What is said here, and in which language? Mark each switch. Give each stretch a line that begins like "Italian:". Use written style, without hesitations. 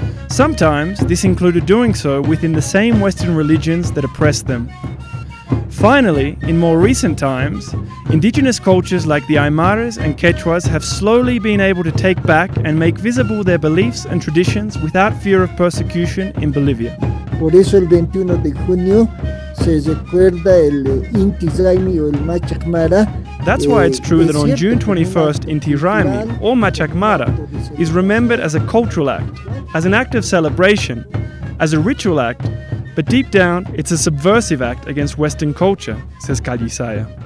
English: Sometimes, this included doing so within the same Western religions that oppressed them. Finally, in more recent times, indigenous cultures like the Aymaras and Quechuas have slowly been able to take back and make visible their beliefs and traditions without fear of persecution in Bolivia.
Spanish: Por eso el 21 de junio se recuerda el Inti Raymi o el Machacmara.
English: That's why it's true that on June 21st, Inti Raymi, or Machacmara, is remembered as a cultural act, as an act of celebration, as a ritual act, but deep down, it's a subversive act against Western culture, says Kadisaya.